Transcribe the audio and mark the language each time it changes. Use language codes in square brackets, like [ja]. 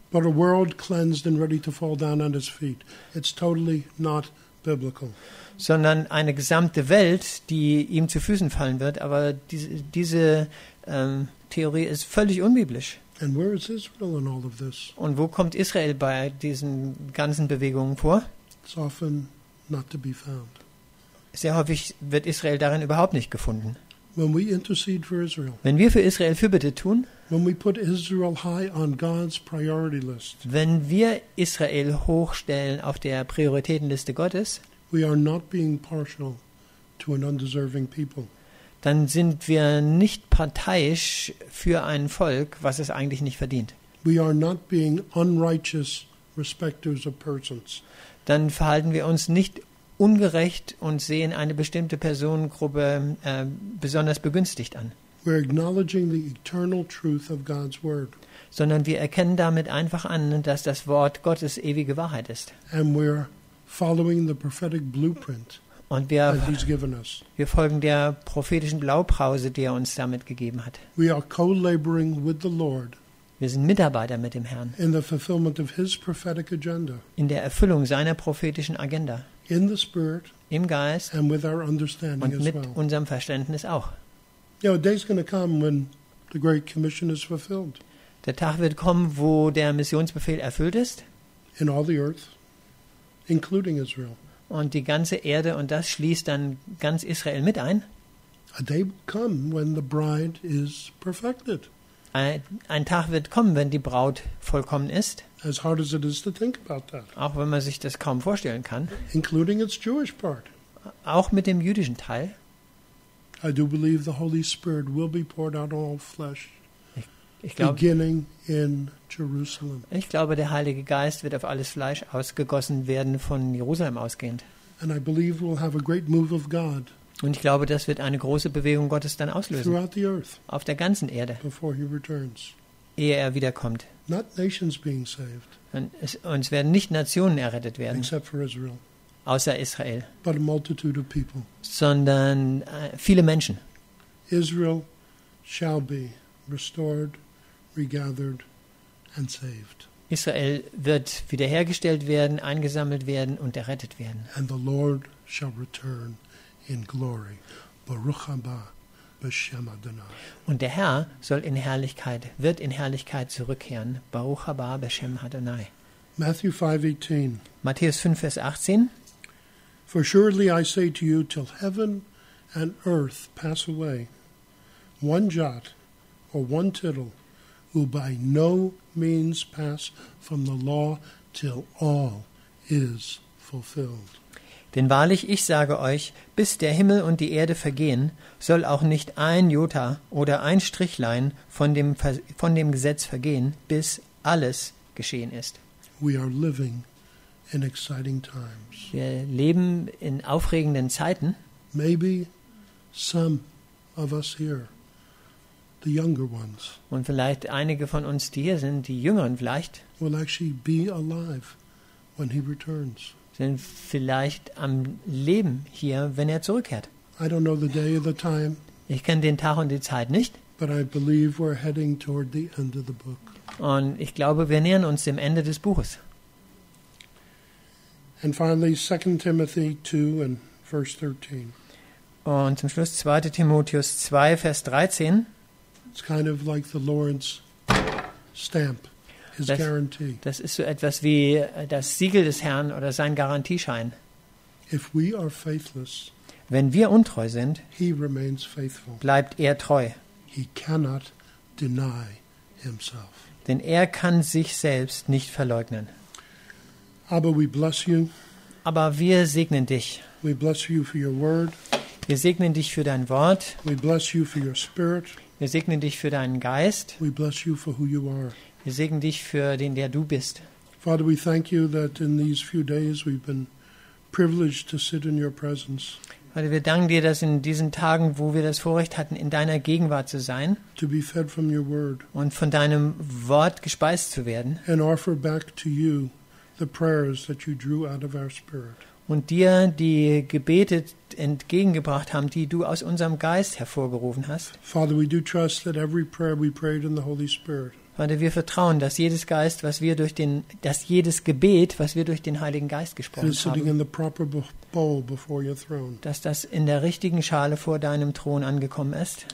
[en] But a world cleansed and ready to fall down on his feet. It's totally not biblical. [de] Sondern eine gesamte Welt, die ihm zu Füßen fallen wird. Aber diese Theorie ist völlig unbiblisch. [en] And where is Israel in all of this? [de] Und wo kommt Israel bei diesen ganzen Bewegungen vor? [en] It's often not to be found. [de] Sehr häufig wird Israel darin überhaupt nicht gefunden. [en] When we intercede for Israel, [de] wenn wir für Israel Fürbitte tun, [en] when we put Israel high on God's priority list, [de] wenn wir Israel hochstellen auf der Prioritätenliste Gottes, [en] we are not being partial to an undeserving people. [de] Dann sind wir nicht parteiisch für ein Volk, was es eigentlich nicht verdient. [en] We are not being unrighteous respecters of persons. [de] Dann verhalten wir uns nicht ungerecht und sehen eine bestimmte Personengruppe besonders begünstigt an. [en] We're acknowledging the eternal truth of God's word. [de] Sondern wir erkennen damit einfach an, dass das Wort Gottes ewige Wahrheit ist. [en] And we're following the prophetic blueprint. [de] Und wir folgen der prophetischen Blaupause, die er uns damit gegeben hat. [en] We are co-laboring with the Lord. [de] Wir sind Mitarbeiter mit dem Herrn. [en] In the fulfillment of his prophetic agenda. [de] In der Erfüllung seiner prophetischen Agenda. [en] In the spirit. [de] Im Geist. [en] And with our understanding [de] und mit [en] as well. [de] Unserem Verständnis auch. [en] You know, a day's gonna come when the great commission is fulfilled. [de] Der Tag wird kommen, wo der Missionsbefehl erfüllt ist. [en] In all the earth, including Israel. [de] Und die ganze Erde, und das schließt dann ganz Israel mit ein. [en] A day will come when the bride is perfected. [de] Ein Tag wird kommen, wenn die Braut vollkommen ist. [en] As hard as it is to think about that. [de] Auch wenn man sich das kaum vorstellen kann. [en] Including its Jewish part. [de] Auch mit dem jüdischen Teil. [en] I do believe the Holy Spirit will be poured out on all flesh. Beginning in Jerusalem. [de] Ich glaube, der Heilige Geist wird auf alles Fleisch ausgegossen werden, von Jerusalem ausgehend. [en] And I believe we'll have a great move of God. [de] Und ich glaube, das wird eine große Bewegung Gottes dann auslösen. [en] Throughout the earth. [de] Auf der ganzen Erde. [en] Before he returns. [de] Ehe er wiederkommt. [en] Not nations being saved. [de] Und es werden nicht Nationen errettet werden. [en] Except for Israel. [de] Außer Israel. [en] But a multitude of people. [de] Sondern viele Menschen. [en] Israel shall be restored. Regathered and saved. [de] Israel wird wiederhergestellt werden, eingesammelt werden und errettet werden. [en] And the Lord shall return in glory. [he] Baruch haba b'shem Adonai. [de] Und der Herr soll in Herrlichkeit, wird in Herrlichkeit zurückkehren. [he] Baruch haba b'shem Adonai. [en] Matthew 5:18. [de] Matthäus 5, Vers 18. [en] For surely I say to you, till heaven and earth pass away, one jot or one tittle will by no means pass from the law till all is fulfilled. [de] Denn wahrlich, ich sage euch, bis der Himmel und die Erde vergehen, soll auch nicht ein Jota oder ein Strichlein von dem Gesetz vergehen, bis alles geschehen ist. [en] We are living in exciting times. [de] Wir leben in aufregenden Zeiten. [en] Maybe some of us here, the younger ones, [de] und vielleicht einige von uns, die hier sind, die Jüngeren vielleicht, [en] will actually be alive when he returns. [de] Sind vielleicht am Leben hier, wenn er zurückkehrt. [en] I don't know the day or the time, [de] ich kenne den Tag und die Zeit nicht. [en] But I believe we're heading toward the end of the book. [de] Und ich glaube, wir nähern uns dem Ende des Buches. [en] And finally, 2 Timothy 2 and verse 13. [de] Und zum Schluss 2. Timotheus 2, Vers 13. [en] It's kind of like the Lawrence stamp, his guarantee. [de] Das ist so etwas wie das Siegel des Herrn oder sein Garantieschein. [en] If we are faithless, [de] wenn wir untreu sind, [en] he remains faithful. [de] Bleibt er treu. [en] He cannot deny himself. [de] Denn er kann sich selbst nicht verleugnen. Aber [en] we bless you. [de] Aber wir segnen dich. [en] We bless you for your word. [de] Wir segnen dich für dein Wort. [en] We bless you for your spirit. [de] Wir segnen dich für deinen Geist. [en] We bless you for who you are. [de] Wir segnen dich für den, der du bist. [en] Father, we thank you that in these few days we've been privileged to sit in your presence. [de] Vater, wir danken dir, dass in diesen Tagen, wo wir das Vorrecht hatten, in deiner Gegenwart zu sein [en] to be fed from your word [de] und von deinem Wort gespeist zu werden [en] and offer back to you the prayers that you drew out of our spirit [de] und dir die Gebete entgegengebracht haben, die du aus unserem Geist hervorgerufen hast. [en] Father, we do trust that every prayer we prayed in the Holy Spirit. [de] Vater, wir vertrauen, dass jedes Geist, was wir durch den, dass jedes Gebet, was wir durch den Heiligen Geist gesprochen haben, dass das in der richtigen Schale vor deinem Thron angekommen ist.